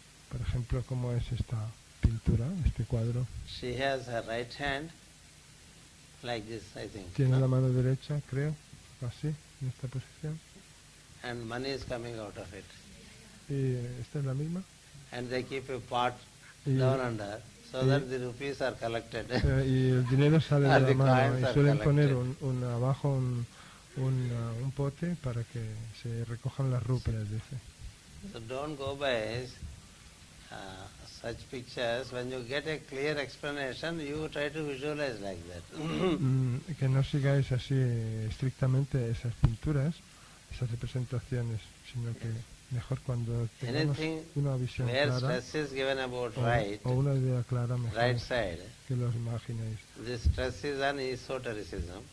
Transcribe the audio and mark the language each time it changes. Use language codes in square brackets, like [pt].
[es] Por ejemplo, ¿cómo es esta pintura, este cuadro? [en] She has her right hand, like this, I think. [es] Tiene la mano derecha, creo, así, en esta posición. [en] And money is coming out of it. [es] ¿Y esta es la misma? [en] And they keep a pot down under, so that the rupees are collected. [es] Y el dinero sale de la mano y suelen poner un pote para que se recojan las rupias, dice. [en] So don't go by such pictures. When you get a clear explanation, you try to visualize like that. [es] Que no sigáis así estrictamente esas pinturas, esas representaciones, sino que mejor cuando tengamos [en] anything [es] una visión clara [en] is given about [es] o una idea clara, mejor [en] right side, [es] que lo imaginéis. [en] The stress is on esotericism.